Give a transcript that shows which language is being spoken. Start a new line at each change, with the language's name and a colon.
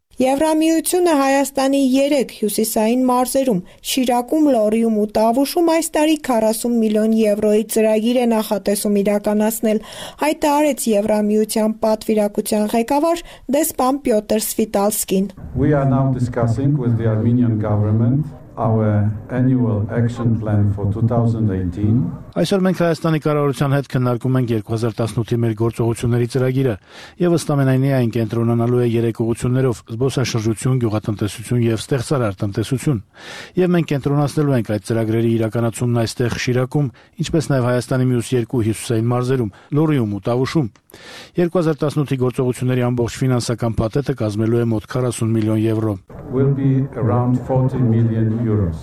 Armenian: Եվրամիությունը Հայաստանի 3 հյուսիսային մարզերում, Շիրակում, Լոռիում ու Տավուշում այս տարի 40 միլիոն եվրոյի ծրագիր է նախատեսում իրականացնել, հայտարարեց Եվրամիության պատվիրակության ղեկավար դեսպան Պյոտր Սվիտալսկին։
English: We are now discussing with the Armenian government our annual action plan for 2018.
Armenian: Այսօր մենք Հայաստանի կառավարության հետ քննարկում ենք 2018-ի մեր գործողությունների ծրագիրը, և ըստ ամենայնի այն կենտրոնանալու է երեք ուղություններով՝ զբոսաշրջություն, գյուղատնտեսություն և ստեղծարար տնտեսություն։ Եվ մենք կենտրոնացնելու ենք այդ ծրագրերի իրականացումն այստեղ Շիրակում, ինչպես նաև Հայաստանի մյուս երկու հյուսիսային մարզերում՝ Լոռիում ու Տավուշում։ 2018-ի գործողությունների ամբողջ ֆինանսական պատետը կազմելու է մոտ 40 միլիոն եվրո։